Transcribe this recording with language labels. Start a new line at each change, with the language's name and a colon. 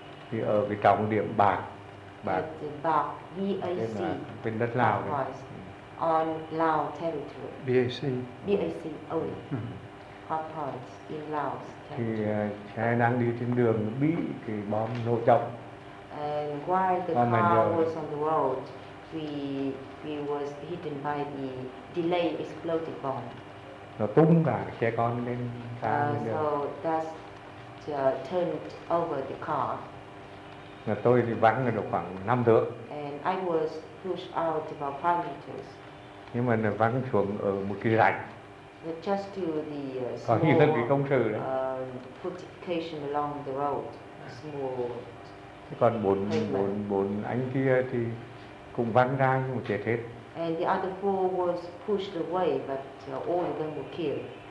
Vietnamese: Thì ở cái trọng điểm Bạc. Bạc, VAC. Bên đất Lào.
English: On Lao territory. BAC. BAC only. Hot points in Laos.
Vietnamese: Thì xe đang đi trên đường bị cái bom nổ trọng.
English: And while the car was on the road, we was hidden by the delayed exploded bomb.
Vietnamese: nó tung cả xe con lên cao lên
English: được. So that's to turn over the car.
Vietnamese: Và tôi thì vắng được khoảng 5 thước.
English: And I was pushed out about 5 meters.
Vietnamese: Nhưng mà nó vắng xuống ở một cái rãnh.
English: Just to the
Vietnamese: small. Có những cái công sự đó.
English: Fortification along the road, small.
Vietnamese: Còn bốn anh kia thì cũng vắng ra nhưng mà chết hết.
English: And the other four was pushed away, but all of them were killed.